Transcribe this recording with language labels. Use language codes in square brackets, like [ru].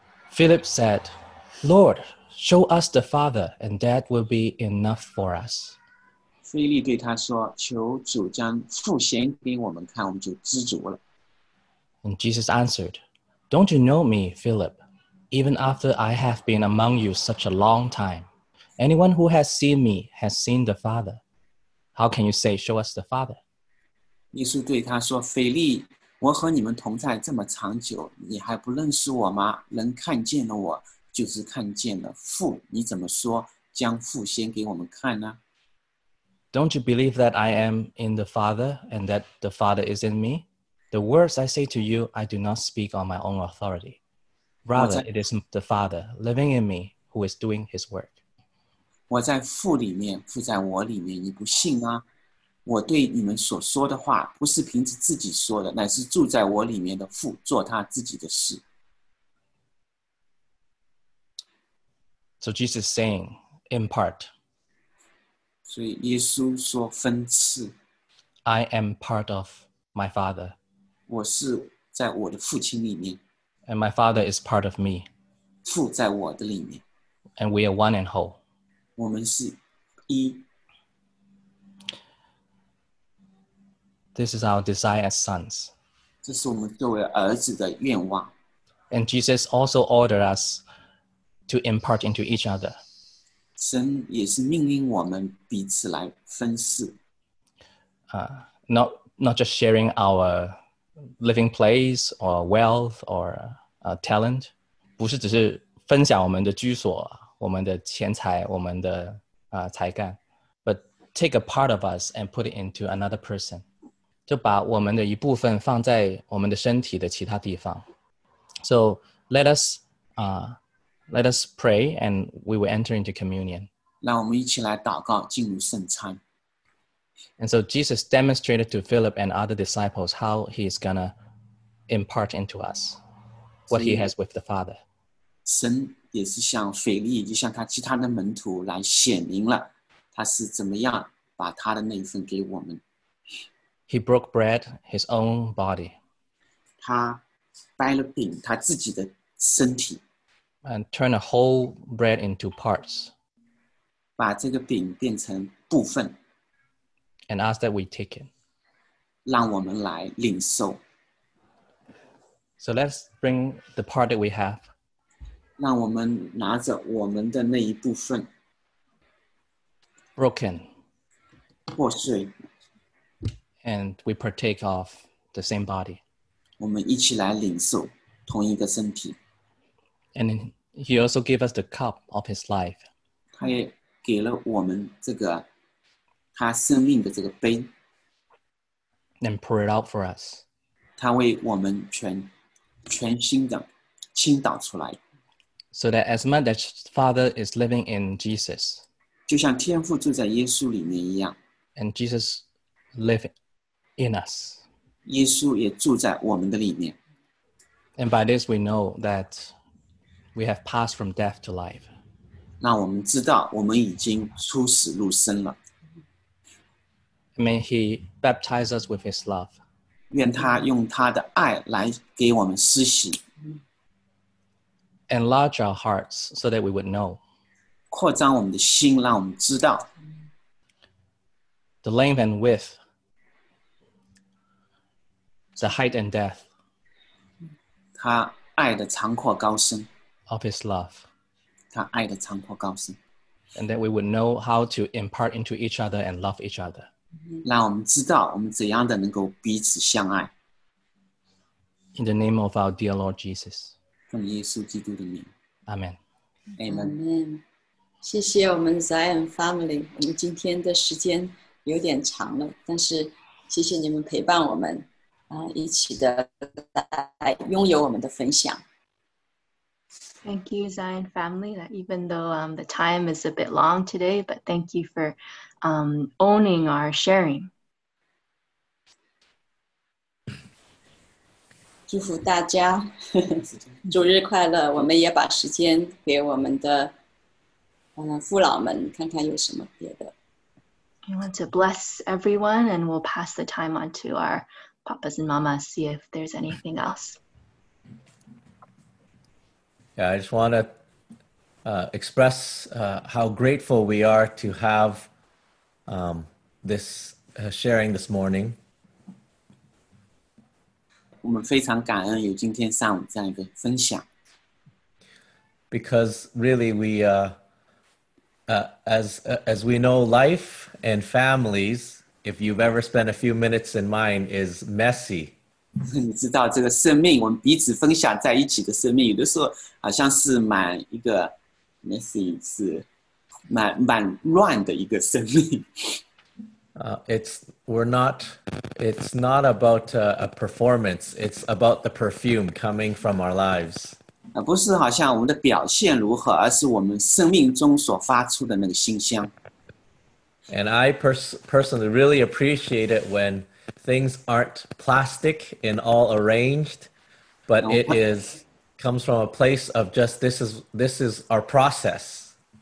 [en] Philip said, Lord, show us the Father, and that will be enough for us. [zh] 菲利对他说,求主将父显给我们看,我们就知足了。And [en] Jesus answered, Don't you know me, Philip? Even after I have been among you such a long time, anyone who has seen me has seen the Father. How can you say, show us the Father? [zh] 耶稣对他说,菲利,我和你们同在这么长久,你还不认识我吗? 能看见了我,就是看见了父,你怎么说,将父显给我们看呢? [en] Don't you believe that I am in the Father and that the Father is in me? The words I say to you, I do not speak on my own authority. Rather, it is the Father living in me who is doing his work. [zh] 我在父里面，父在我里面，你不信吗？我对你们所说的话，不是凭着自己说的，乃是住在我里面的父做他自己的事。 [en] So Jesus is saying, in part. [zh] 所以耶稣说分次。 [en] I am part of my Father. [zh] 我是在我的父亲里面。 [en] And my Father is part of me. [zh] 父在我的里面。 [en] And we are one and whole. [zh] 我们是一。 [en] This is our desire as sons. [zh] 这是我们作为儿子的愿望。 [en] And Jesus also ordered us to impart into each other. [zh] 神也是命令我们彼此来分事。 [en] Not just sharing our living place or wealth or talent. [zh] 不是只是分享我们的居所，我们的钱财，我们的才干。 [en] But take a part of us and put it into another person. [zh] 就把我们的一部分放在我们的身体的其他地方。 [en] So let us pray and we will enter into communion. [zh] 让我们一起来祷告进入圣餐。 [en] And so Jesus demonstrated to Philip and other disciples how he is going to impart into us what he has with the Father. [zh] 神也是向腓力以及向他其他的门徒来显明了他是怎么样把他的那一份给我们。 [en] He broke bread, his own body. [zh] 他掰了饼，他自己的身体。 [en] And turned a whole bread into parts. [zh] 把这个饼变成部分。 [en] And asked that we take it. [zh] 让我们来领受。 [en] So let's bring the part that we have. [zh] 让我们拿着我们的那一部分。 [en] Broken. [zh] 破碎。 [en] And we partake of the same body. [zh] 我们一起来领受同一个身体。 [en] And he also gave us the cup of his life. [zh] 他也给了我们这个他生命的这个杯。 [en] And pour it out for us. [zh] 他为我们全心的倾倒出来。 [en] So that as much as Father is living in Jesus. [zh] 就像天父住在耶稣里面一样。 [en] And Jesus living. In us. [zh] 耶稣也住在我们的里面。 [en] And by this we know that we have passed from death to life. [zh] 那我们知道我们已经出死入生了。 [en] May he baptize us with his love. [zh] 愿他用他的爱来给我们施洗。 [en] Enlarge our hearts so that we would know. [zh] 扩张我们的心让我们知道。 [en] The length and width. The height and depth. [zh] 他爱的长阔高深。 [en] Of his love. [zh] 他爱的长阔高深。 [en] And that we would know how to impart into each other and love each other. [zh] 让我们知道我们怎样的能够彼此相爱。 [en] In the name of our dear Lord Jesus. [zh] 奉耶稣基督的名。 [en] Amen. Amen. [zh] Amen. 谢谢我们 Zion Family. 我们今天的时间有点长了，但是谢谢你们陪伴我们。一起的来拥有我们的分享。 [en] Thank you, Zion family. Even though the time is a bit long today, but thank you for owning our sharing. [zh] 祝福大家，主日快乐！我们也把时间给我们的父老们，看看有什么别的。 [en] We want to bless everyone, and we'll pass the time on to our. Papas and mamas, see if there's anything else. Yeah, I just want to express how grateful we are to have this sharing this morning. [zh] 我们非常感恩有今天上午这样一个分享。 [en] Because really, we, as we know, life and families. If you've ever spent a few minutes in mine, is messy. [zh] 你知道这个生命，我们彼此分享在一起的生命，有的时候好像是蛮一个 messy， 是蛮乱的一个生命。 [en] It's not about a performance. It's about the perfume coming from our lives. [zh] 不是好像我们的表现如何, 而是我们生命中所发出的那个馨香。 [en] And I personally really appreciate it when things aren't plastic and all arranged, but it is comes from a place of just this is our process.